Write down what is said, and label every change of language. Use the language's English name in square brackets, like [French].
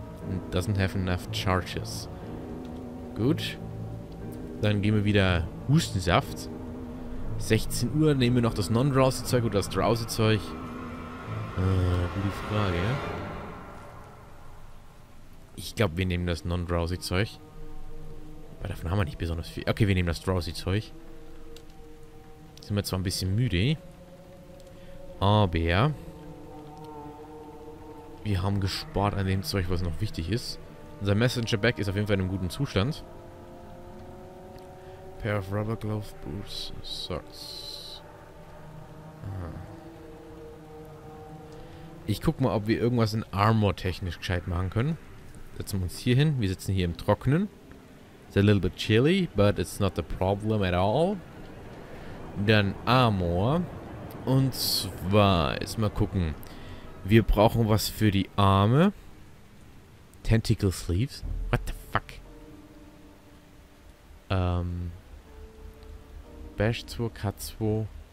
[English] And doesn't have enough charges. [German] Gut. Dann gehen wir wieder Hustensaft. 16 Uhr nehmen wir noch das non-drowsy Zeug oder das drowsy Zeug. Gute Frage, ja? Ich glaube, wir nehmen das non-drowsy Zeug. Aber davon haben wir nicht besonders viel. Okay, wir nehmen das drowsy Zeug. Sind wir zwar ein bisschen müde, aber wir haben gespart an dem Zeug, was noch wichtig ist. Unser Messenger Bag ist auf jeden Fall in einem guten Zustand. [English] Pair of rubber glove boots, socks. [German] Ich guck mal, ob wir irgendwas in Armor technisch gescheit machen können. Setzen wir uns hier hin. Wir sitzen hier im Trockenen. [English] It's a little bit chilly, but it's not the problem at all. [German] Dann Armor. Und zwar, jetzt mal gucken. Wir brauchen was für die Arme. [English] Tentacle sleeves? What the fuck? Bash 2, Cut 2.